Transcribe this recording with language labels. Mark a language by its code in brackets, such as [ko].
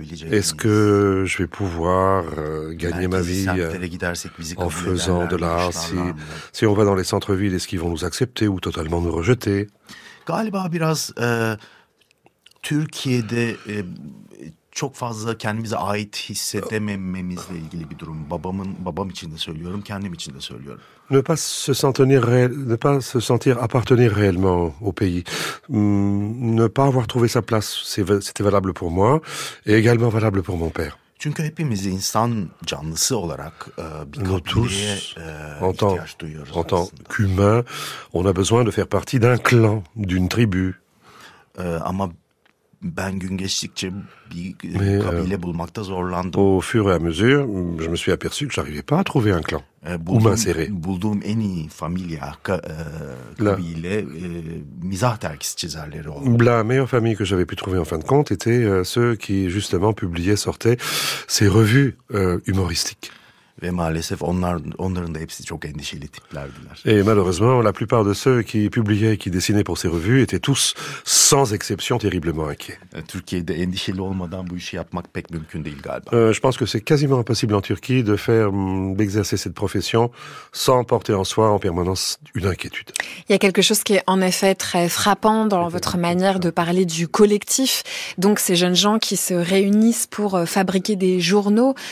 [fr] Est-ce que je vais pouvoir gagner ma vie en faisant de l'art? Si on va dans les centres-villes, est-ce qu'ils vont nous accepter ou totalement nous rejeter? [tr] Galiba biraz Türkiye'de çok fazla kendimize ait hissedemememizle ilgili bir durum. Babam için de söylüyorum, kendim için de söylüyorum. [fr] Ne pas se sentir appartenir réellement au pays. Ne pas avoir trouvé sa place, c'était valable pour moi et également valable pour mon père. [tr] Çünkü hepimiz insan canlısı olarak bir kabileye ihtiyaç duyuyoruz. [fr] En tant qu'humain, on a besoin de faire partie d'un clan, d'une tribu. [tr] Ama ben gün geçtikçe bir kabile bulmakta zorlandım. [fr] Au fur et à mesure, je me suis aperçu que j'arrivais pas à trouver un clan ou m'insérer. [tr] Bulduğum en iyi familia, kabile, mizah terkisi çizerleri oldu. [fr] La meilleure famille que j'avais pu trouver en fin de compte était ceux qui justement publiaient, sortaient ces revues humoristiques. [tr] Ve maalesef onların da hepsi çok endişeli tiplerdiler. [fr] Et malheureusement, la plupart de ceux qui publiaient, qui dessinaient pour ces revues étaient tous sans exception terriblement inquiets. [tr] Türkiye'de endişeli olmadan bu işi yapmak pek mümkün değil galiba. [fr] Je pense que c'est quasiment impossible en Turquie de faire d'exercer cette profession sans porter en soi en permanence une inquiétude. Il y a quelque chose qui est en effet très frappant dans votre manière de parler du collectif, donc ces jeunes gens qui se réunissent pour fabriquer des journaux.